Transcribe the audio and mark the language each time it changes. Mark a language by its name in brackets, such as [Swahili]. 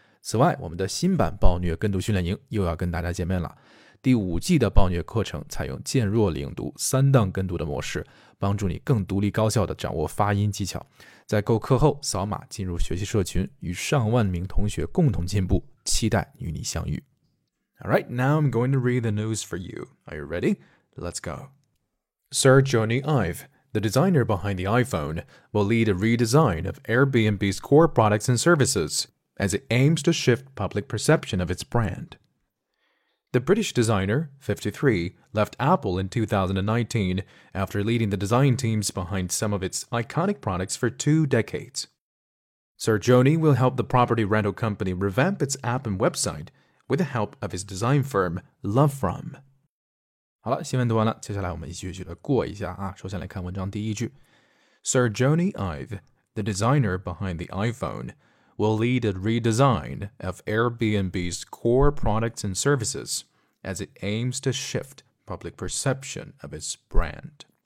[Chinese] 此外，我们的新版暴虐跟读训练营又要跟大家见面了。第五季的暴虐课程采用渐弱领读三档跟读的模式，帮助你更独立高效地掌握发音技巧。在购课后扫码进入学习社群，与上万名同学共同进步，期待与你相遇。 [English] Alright, now I'm going to read the news for you. Are you ready? Let's go. Sir Jony Ive, the designer behind the iPhone, will lead a redesign of Airbnb's core products and services as it aims to shift public perception of its brand. The British designer, 53, left Apple in 2019 after leading the design teams behind some of its iconic products for two decades. Sir Jony will help the property rental company revamp its app and website,with the help of his design firm, Lovefrom. [Chinese] 好了，新闻读完了，接下来我们一句一句的过一下啊。首先来看文章第一句。 [English] Sir Jony Ive, the designer behind the iPhone, will lead a redesign of Airbnb's core products and services as it aims to shift public perception of its brand.